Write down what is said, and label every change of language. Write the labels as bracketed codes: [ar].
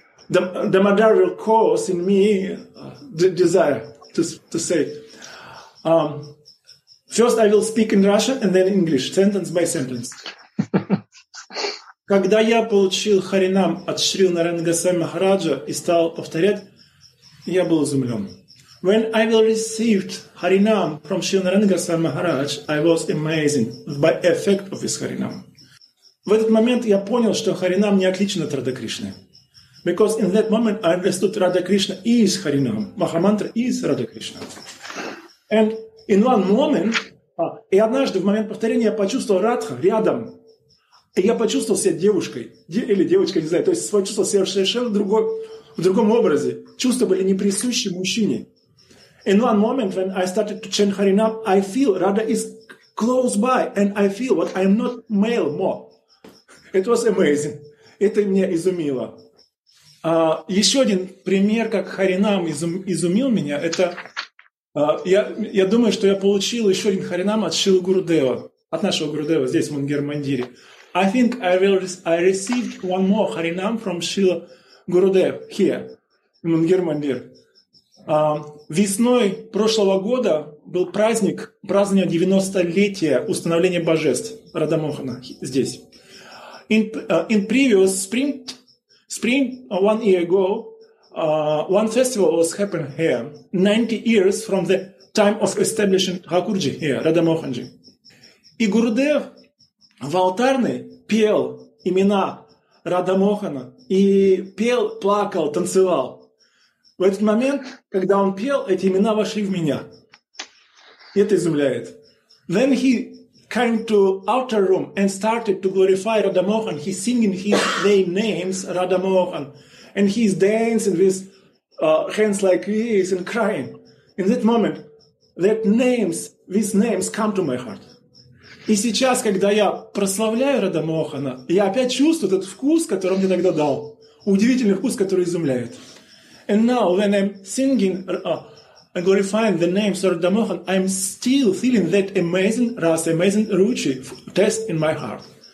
[en] The Madar will cause in me the desire to say. First, I will speak in Russian and then English, sentence by sentence. [ru] Когда я получил харинам от Шри Нарайана Госвами Махараджа и стал повторять, я был изумлен. [en] When I will received харинам from Шри Нарайана Госвами Махарадж, I was amazing by effect of his харинам. [ru] В этот момент я понял, что харинам не отличен от Рада Кришны. [en] Because in that moment I understood Radha Krishna is Harinam. Mahamantra is Radha Krishna. And in one moment, [ru] и однажды в момент повторения я почувствовал Радха рядом. И я почувствовал себя девушкой. Или девочкой, не знаю. То есть почувствовал себя совершенно в другом образе. Чувства были не присущи мужчине. [en] In one moment when I started to chant Harinam, I feel Radha is close by. And I feel what I am not male more. It was amazing. [ru] Это меня изумило. Еще один пример, как харинам изумил меня, это я думаю, что я получил еще один харинам от Шилы Гурудева, от нашего Гурудева здесь, в Мангер-Мандире. [en] I think I received one more харинам from Шила Гурудев here, в Мангер-Мандир. [ru] Весной прошлого года был празднование 90-летия установления божеств Радамохана здесь. [en] In previous spring, 1 year ago, one festival was happening here, 90 years from the time of establishing Thakurji here, Radha Mohanji. [ru] И Гурудев в алтарне пел имена Радха Мохана, и пел, плакал, танцевал. В этот момент, когда он пел, эти имена вошли в меня. Это изумляет. [en] Then he came to outer room and started to glorify Radha Mohan. He's singing his name names, Radha Mohan. And he's dancing with hands like this and crying. In that moment, that names, these names come to my heart. [ru] И сейчас, когда я прославляю Радха Мохана, я опять чувствую этот вкус, который он мне тогда дал. Удивительный вкус, который изумляет. [en] And now, when I'm singing and glorifying the name Radha Mohan, I'm still feeling that amazing Rasa, amazing Ruchi test in my heart.